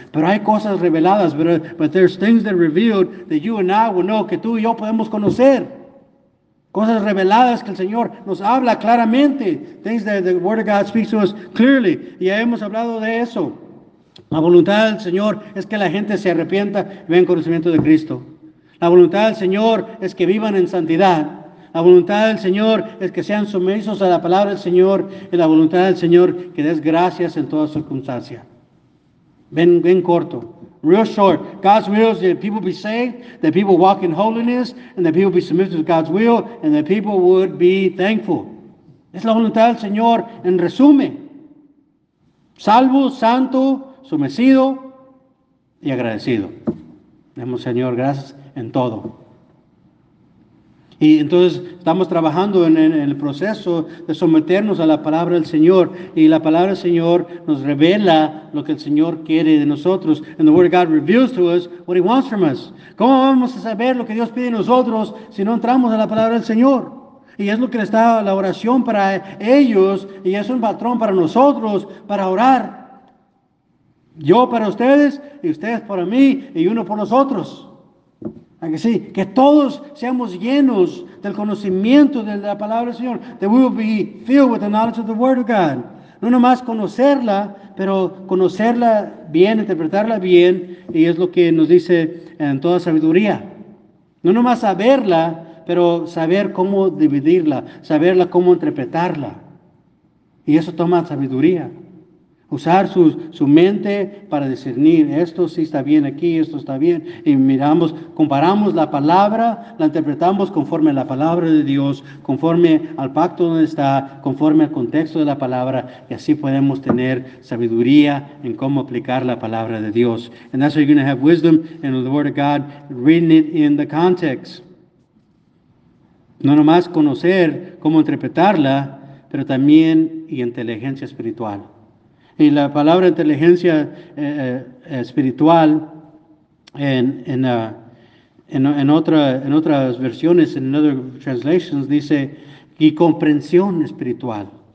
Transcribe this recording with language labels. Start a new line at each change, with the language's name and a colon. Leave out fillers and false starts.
Spanish: Pero hay cosas reveladas,
English: but there's things that are revealed that you and I will know,
Spanish: que tú y yo podemos conocer. Cosas reveladas que el Señor nos habla claramente.
English: Things that the Word of God speaks to us clearly.
Spanish: Y ya hemos hablado de eso. La voluntad del Señor es que la gente se arrepienta y vea el conocimiento de Cristo. La voluntad del Señor es que vivan en santidad. La voluntad del Señor es que sean sumisos a la palabra del Señor. Y la voluntad del Señor, que des gracias en toda circunstancia. Ven corto.
English: Real short. God's will is that people be saved, that people walk in holiness, and that people be submissive to God's will, and that people would be thankful.
Spanish: Es la voluntad del Señor en resumen. Salvo, santo, sumecido y agradecido. Demos, Señor, gracias en todo. Y entonces estamos trabajando en el proceso de someternos a la palabra del Señor. Y la palabra del Señor nos revela lo que el Señor quiere de nosotros.
English: And the Word of God reveals to us what He wants from us.
Spanish: ¿Cómo vamos a saber lo que Dios pide de nosotros si no entramos a la palabra del Señor? Y es lo que está la oración para ellos. Y es un patrón para nosotros, para orar. Yo para ustedes, y ustedes para mí, y uno por nosotros. Que sí, que todos seamos llenos del conocimiento de la palabra del Señor.
English: That we will be filled with the knowledge of the Word of God.
Spanish: No nomás conocerla, pero conocerla bien, interpretarla bien, y es lo que nos dice en toda sabiduría. No nomás saberla, pero saber cómo dividirla, saberla cómo interpretarla. Y eso toma sabiduría. Usar su mente para discernir, esto sí está bien aquí, esto está bien. Y miramos, comparamos la palabra, la interpretamos conforme a la palabra de Dios, conforme al pacto donde está, conforme al contexto de la palabra. Y así podemos tener sabiduría en cómo aplicar la palabra de Dios.
English: And that's how you're going to have wisdom in the Word of God, reading it in the context.
Spanish: No nomás conocer cómo interpretarla, pero también y inteligencia espiritual. Y la palabra inteligencia espiritual en otras versiones, en
English: other translations,
Spanish: dice y comprensión espiritual.